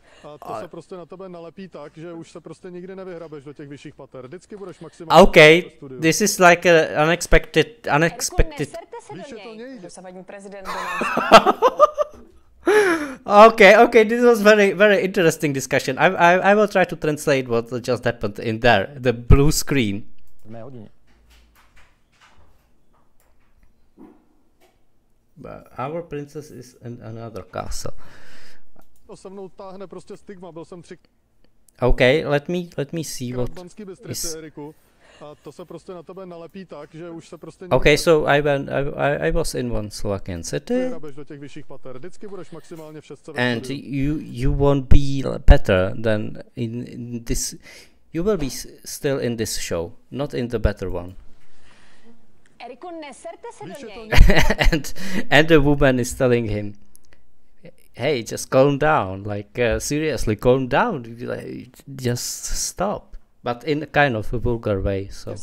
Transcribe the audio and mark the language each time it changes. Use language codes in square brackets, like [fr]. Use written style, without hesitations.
[cs] A to se prostě na tebe nalepí tak, že už se prostě nikdy nevyhrabeš do těch vyšších pater. Vždycky budeš maximálně. [en] Okay, this is like a unexpected. [cs] Víš, že to nejde. Dosavadní prezident Donald [en] Trump. Okay, this was very, very interesting discussion. I will try to translate what just happened in there, the blue screen. Our princess is in another castle. [cs] To se mnou táhne prostě stigma, byl jsem tři. [en] Okay, let me see what is. [cs] A to se prostě na tebe nalepí tak, že už se prostě. [en] Okay, so I was in one Slovakian city. [cs] Do těch vyšších pater. Vždycky budeš maximálně v šestce. [en] And you won't be better than in this. You will be still in this show, not in the better one. [cs] Eriku, neserte se do něj. [en] And the woman is telling him, hey, just calm down, seriously, calm down, just stop, but in a kind of a vulgar way, so.